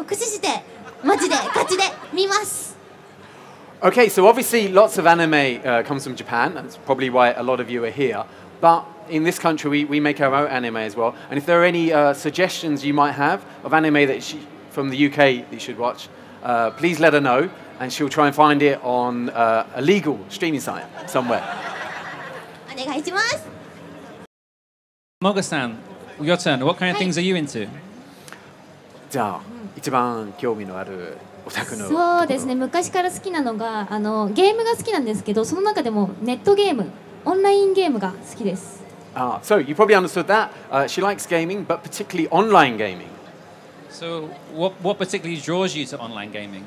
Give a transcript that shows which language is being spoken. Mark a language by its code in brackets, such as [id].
[ja] 私は日本のアニメが大好きなんですけども、おそらくイギリスにもたくさんオリジナルのアニメーションがあると思うので、ぜひおすすめの作品があったら私に教えてほしいです。インターネット駆使して、マジでガチで見ます。 [en] Okay, so obviously lots of anime comes from Japan. That's probably why a lot of you are here. But in this country, we make our own anime as well. And if there are any suggestions you might have of anime that she, from the UK that you should watch, please let her know. And she'll try and find it on a legal streaming site somewhere. Moga-san, your turn. What kind of things are you into? [ja] じゃあ、一番興味のあるオタクの。そうですね。昔から好きなのが、ゲームが好きなんですけど、その中でもネットゲーム、オンラインゲームが好きです。 [en] Ah, so you probably understood that. She likes gaming, but particularly online gaming. So what particularly draws you to online gaming?